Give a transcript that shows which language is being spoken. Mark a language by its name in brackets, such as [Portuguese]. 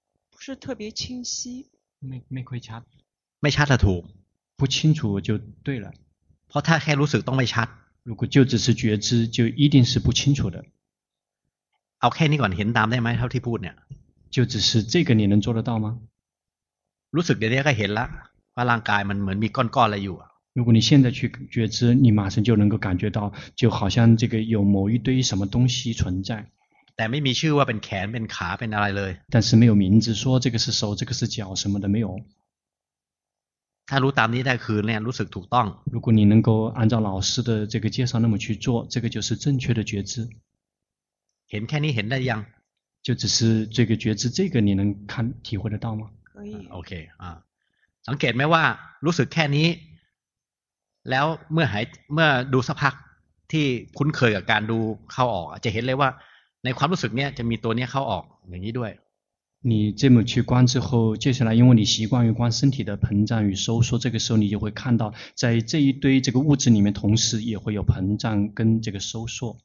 [Chinese] 不是特别清晰 [Thai] ไม่ค่อยชัด ไม่ชัดถูก [Chinese] 不清楚就对了 [Thai] เพราะถ้าแค่รู้สึกต้องไม่ชัด [Chinese] 如果就只是觉知就一定是不清楚的 [Thai] เอาแค่นี้ก่อนเห็นตามได้ไหมเท่าที่พูดเนี่ย [Chinese] 就只是这个你能做得到吗 [Thai] รู้สึกเดี๋ยวก็เห็นละว่าร่างกายมันเหมือนมีก้อนๆอะไรอยู่ [Chinese] 如果你现在去觉知你马上就能够感觉到就好像这个有某一堆什么东西存在 [Thai] แต่ไม่มีชื่อว่าเป็นแขนเป็นขาเป็นอะไรเลย [Chinese] 但是没有名字说这个是手这个是脚什么的没有 [Thai] ถ้ารู้ตามนี้ได้คือเนี่ยรู้สึกถูกต้อง [Chinese] 如果你能够按照老师的这个介绍那么去做这个就是正确的觉知 [Thai] เห็นแค่นี้เห็นได้ยัง [Chinese] 就只是这个觉知这个你能看体会得到吗可以 [Thai] OK สังเกตไหมว่ารู้สึกแค่นี้แล้วเมื่อหายเมื่อดูสักพักที่คุ้นเคยกับการดูเข้าออกจะเห็นเลยว่าในความรู้สึกเนี้ยจะมีตัวเนี้ยเข้าออกอย่างนี้ด้วย [Chinese] 你这么去观之后接下来因为你习惯于观身体的膨胀与收缩这个时候你就会看到在这一堆这个物质里面同时也会有膨胀跟这个收缩